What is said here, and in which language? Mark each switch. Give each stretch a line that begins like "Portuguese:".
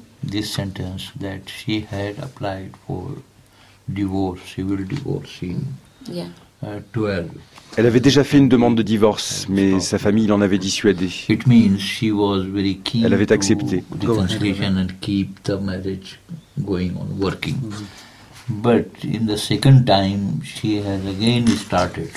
English: This sentence that she had applied for divorce, civil divorce in 12.
French: Elle avait déjà fait une demande de divorce, mais sa famille l'en avait dissuadé.
English: It means she was very keen.
French: Elle avait accepté.
English: The conciliation and keep the marriage going on working. But in the second time, she has again started.